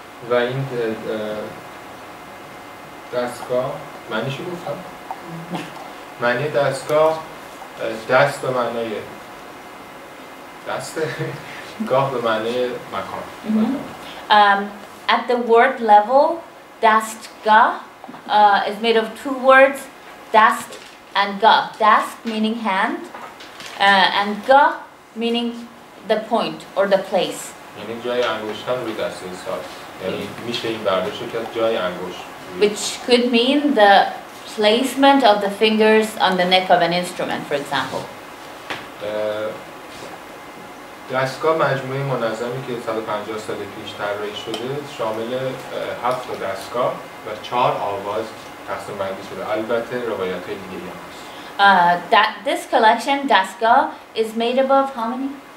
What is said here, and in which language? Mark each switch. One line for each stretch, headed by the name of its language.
Persian: و این دستگاه معنیش رو گفتم؟ معنی دستگاه دست به معنی دسته گاه به معنی مکان
English: At the word level, dastgah is made of two words, dast and gah. Dast meaning hand, and gah meaning the point or the place.
Persian: یعنی جای انگشتان روی دست انسان. یعنی میشه این برداشت که جای انگشت.
English: Which could mean the placement of the fingers on the neck of an instrument, for example.
Persian: دستگاه مجموعه منظمی که 150 سال پیش طراحی شده شامل 7 دستگاه و 4 آواز تقسیم بندی شده البته روایت های دیگه هم هست
English: This collection, دستگاه, is made up of how many?